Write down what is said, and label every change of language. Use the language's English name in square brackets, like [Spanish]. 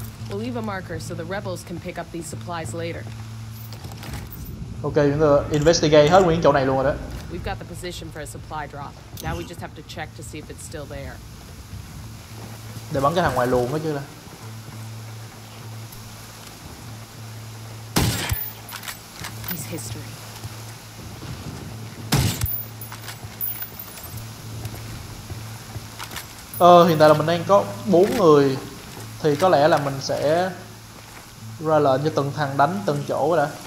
[English] We'll leave a marker so the rebels can pick up these supplies later. [Vietnamese] Ok, chúng ta investigate hết nguyên chỗ này luôn rồi đó. [English] We've got the position for a supply drop. Now we just have to check to see if it's still there. [Vietnamese] Để bắn cái thằng ngoài luồng đó chứ là. [English] He's history. [Vietnamese] Hiện tại là mình đang có 4 người. Thì có lẽ là mình sẽ ra lệnh cho từng thằng đánh từng chỗ đã.